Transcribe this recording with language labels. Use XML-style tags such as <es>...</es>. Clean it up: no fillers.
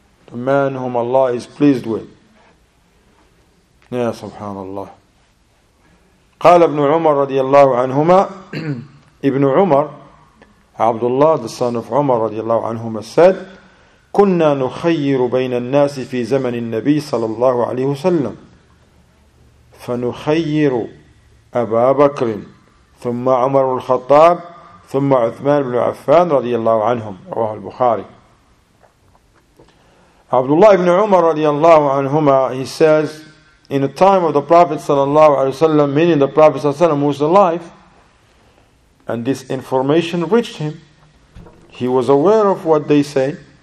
<en>The man whom Allah is pleased with.</en> <ar>يا سبحان الله. قال ابن عمر رضي الله عنهما. ابن عمر عبد الله</ar> <en>the son of</en> <ar>عمر رضي الله عنهما said كنا نخير بين الناس في زمن النبي صلى الله عليه وسلم فنخير أبا بكر ثم عمر الخطاب ثم عثمان بن عفان رضي الله عنهم. رواه البخاري.</ar> <en>عبد الله ابن عمر</en> <ar>رضي الله عنهما</ar> <en>he says in the time of the Prophet sallallahu alaihi wasallam, meaning the Prophet sallallahu alaihi wasallam was alive, and this information reached him, he was aware of what they say.</en>